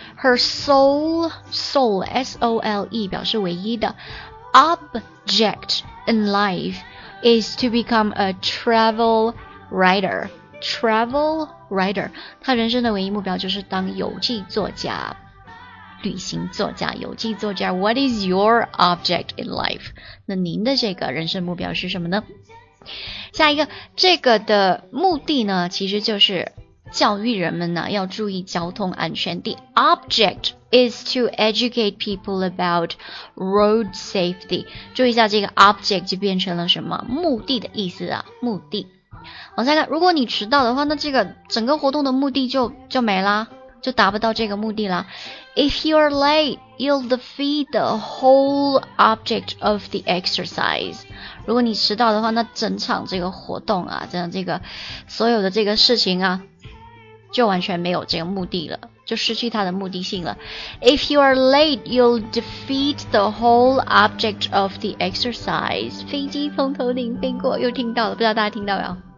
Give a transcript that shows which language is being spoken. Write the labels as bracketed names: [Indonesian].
[English] Her sole S-O-L-E [Chinese] 表示唯一的 [English] object in life is to become a travelWriter, [Chinese] 他人生的唯一目标就是当游记作家，旅行作家，游记作家。 [English] What is your object in life? [Chinese] 那您的这个人生目标是什么呢？下一个，这个的目的呢，其实就是教育人们呢，要注意交通安全。 [English] The object is to educate people about road safety. [Chinese] 注意一下，这个 object 就变成了什么？目的的意思啊，目的。往下看，如果你迟到的话，那这个整个活动的目的就没啦，就达不到这个目的啦。 [English] If you're late, you'll defeat the whole object of the exercise. [Chinese] 如果你迟到的话，那整场这个活动啊，整场这个所有的这个事情啊，就完全没有这个目的了，就失去它的目的性了。 [English] If you're late, you'll defeat the whole object of the exercise. [Chinese] 飞机从头顶飞过，又听到了，不知道大家听到没有？